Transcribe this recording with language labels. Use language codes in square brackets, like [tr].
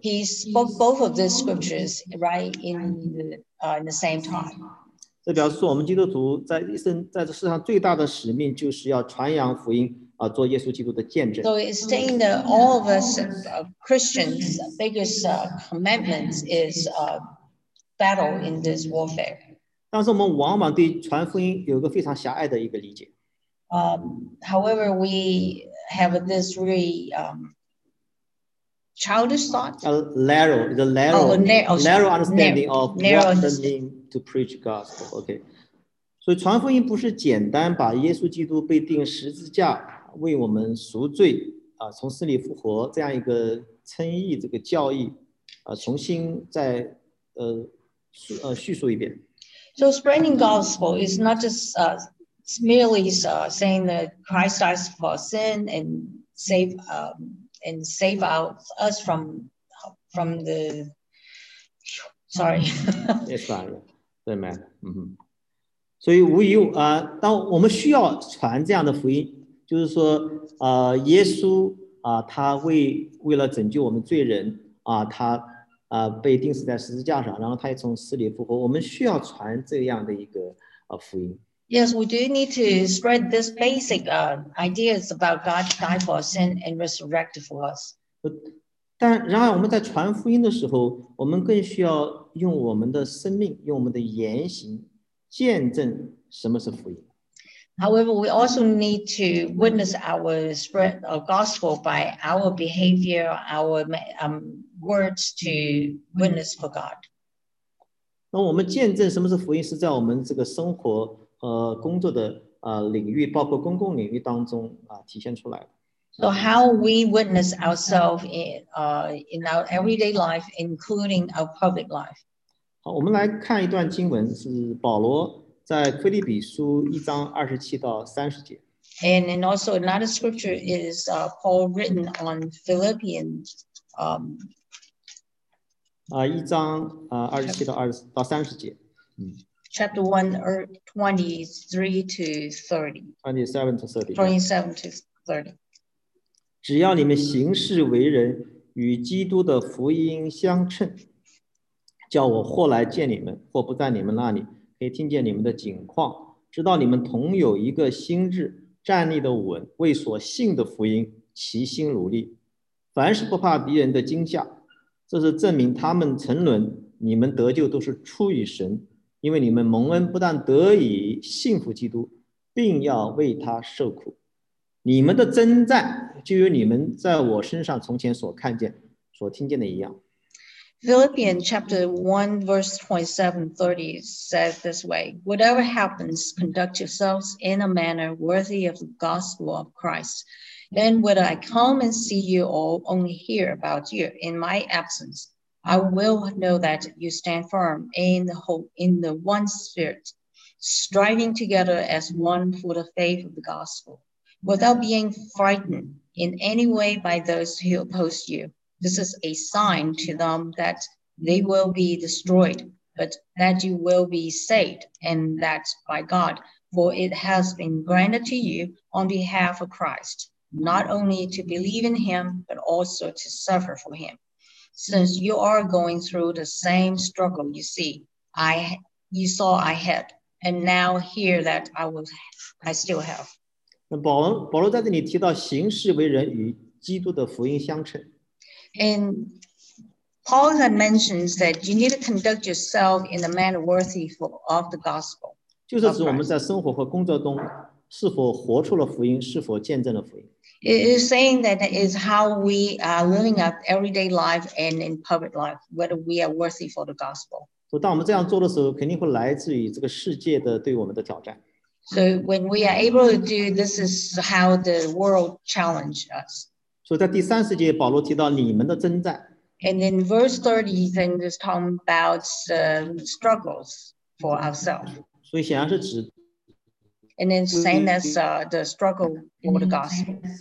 [en] He spoke both of the scriptures right in the same time. [zh] 这表示我们基督徒在一生在这世上最大的使命就是要传扬福音做耶稣基督的见证。 [en] So it's saying that all of us Christians' biggest commitment is battle in this warfare. [zh] 但是我们往往对传福音有一个非常狭隘的一个理解。 [en] However, we have this really childish thought. Narrow understanding of what the meaningTo preach gospel, okay. [zh] So, 传福音不是简单把耶稣基督被钉十字架为我们赎罪从死里复活这样一个称义这个教义重新再叙述一遍。 [en] So, spreading gospel is not just merely saying that Christ died for sin and save us from the. Sorry. It's fine. [zh] 对没？所以无疑当我们需要传这样的福音，就是说耶稣他为了拯救我们罪人他被钉死在十字架上，然后他也从死里复活，我们需要传这样的一个福音。 [en] Yes, we do need to spread this basic ideas about God died for us and resurrected for us. [zh] 但然而我们在传福音的时候，我们更需要。用我们的生命，用我们的言行，见证什么是福音。 [en] However, we also need to witness our spread of gospel by our behavior, our words to witness for God. [zh] 那我们见证什么是福音，是在我们这个生活和工作的领域，包括公共领域当中体现出来的。 [en] So how we witness ourselves in our everyday life, including our public life. [zh] 好，我们来看一段经文，是保罗在腓立比书一章二十七到三十节。 [en] And then also another scripture is Paul written on Philippians. [zh] 一章二十七到二十到三十节。 [en] Chapter 1:23-30. 27-30. 27-30. [zh] 只要你们行事为人与基督的福音相称，叫我或来见你们，或不在你们那里，可以听见你们的景况，知道你们同有一个心志，站立的稳，为所信的福音齐心努力，凡事不怕敌人的惊吓，这是证明他们沉沦，你们得救都是出于神，因为你们蒙恩，不但得以信服基督，并要为他受苦。你们的征战就与你们在我身上从前所看见所听见的一样。 [en] Philippians chapter 1 verse 27-30 says this way, whatever happens, conduct yourselves in a manner worthy of the gospel of Christ. Then when I come and see you all, only hear about you in my absence, I will know that you stand firm in the hope, in the one spirit, striving together as one for the faith of the gospel. Without being frightened in any way by those who oppose you, this is a sign to them that they will be destroyed, but that you will be saved, and that by God, for it has been granted to you on behalf of Christ, not only to believe in him, but also to suffer for him. Since you are going through the same struggle, you see, you saw I had, and now hear that I still have. [zh] 保罗在这里提到行事为人与基督的福音相称。 [en] And Paul mentions that you need to conduct yourself in a manner worthy of the gospel. [zh] 就是指我们在生活和工作中是否活出了福音，是否见证了福音。 [en] It is saying that is how we are living up everyday life and in public life, whether we are worthy for the gospel. [zh] 当我们这样做的时候，肯定会来自于这个世界的对我们的挑战。 [en] So when we are able to do this, is how the world challenges us. [zh] So 在第三十节，保罗提到你们的征战。 [en] And in verse 30, then it's talking about struggles for ourselves. [zh] 所以显然是指。 [en] And then saying that's the struggle for the gospel.